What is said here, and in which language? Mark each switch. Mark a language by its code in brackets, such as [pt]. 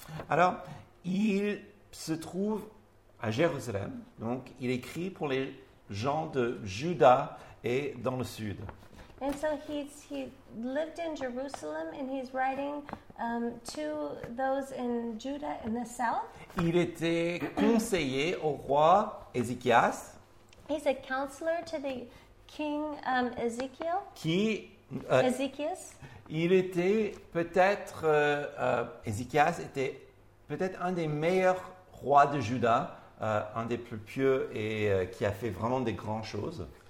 [fr] Alors, il se trouve à Jérusalem. Donc, il écrit pour les gens de Juda et dans le sud. [en] And so he lived in Jerusalem and he's writing to those in Judah in the south. [fr] Il était conseiller au roi Ézéchias. [en] He's a counselor to the king Ezekiel. [fr] Ézéchias. Il était peut-être Ézéchias était peut-être un des meilleurs rois de Juda. Un des plus pieux et qui a fait vraiment des grandes choses.